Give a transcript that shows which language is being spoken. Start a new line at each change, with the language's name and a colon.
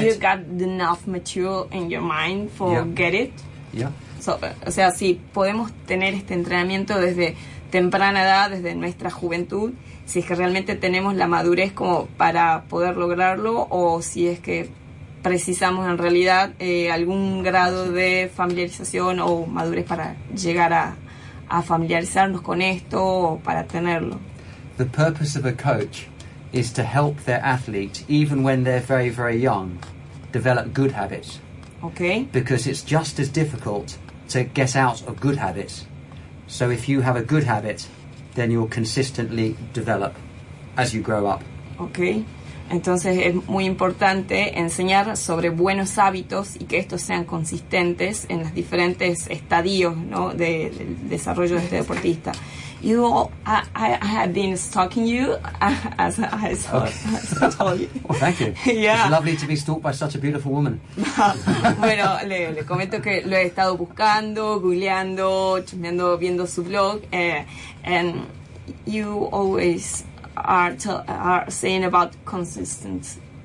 English: Do you got enough material in your mind for get it? Yeah.
Spanish: So, o sea, si podemos tener este entrenamiento desde temprana edad, desde nuestra juventud, si es que realmente tenemos la madurez como para poder lograrlo, o si es que precisamos en realidad algún grado de familiarización o madurez para llegar a familiarizarnos con esto o para tenerlo.
English: The purpose of a coach is to help their athlete, even when they're very, very young, develop good habits. Okay. Because it's just as difficult to get out of good habits. So if you have a good habit, then you'll consistently develop as you grow up. Okay.
Spanish: Entonces es muy importante enseñar sobre buenos hábitos y que estos sean consistentes en los diferentes estadios, ¿no?, del desarrollo de este deportista.
English: You all, I have been stalking you as I saw, okay. As I told you. Well, thank you. Yeah. It's lovely to be stalked by such a beautiful woman.
Spanish: Bueno, le comento que lo he estado buscando, googleando, chismeando, viendo su blog,
English: and you always are saying about consistency.